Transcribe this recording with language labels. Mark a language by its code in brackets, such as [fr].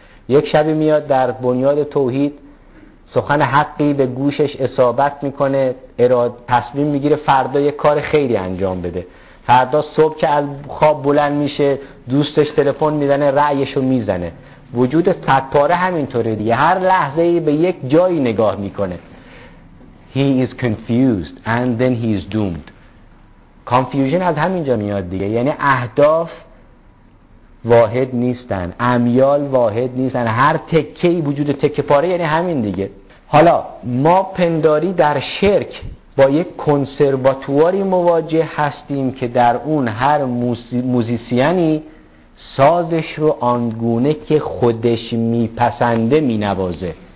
[fa] یک شبی میاد در بنیاد توحید سخن حقی به گوشش اصابت میکنه، تصمیم میگیره فردا یه کار خیلی انجام بده. فردا صبح که از خواب بلند میشه دوستش تلفن میزنه، رأیش رو میزنه. وجود صدپاره همینطوره دیگه، هر لحظه به یک جایی نگاه میکنه. [en] He is confused and then he is doomed. [fa] کانفیوژن از همینجا میاد دیگه، یعنی اهداف واحد نیستن، امیال واحد نیستن، هر تکه‌ای وجود تکه پاره، یعنی همین دیگه. حالا ما پنداری در شرک با یک کنسرواتواری مواجه هستیم که در اون هر موزیسیانی سازش رو آنگونه که خودش میپسنده مینوازه.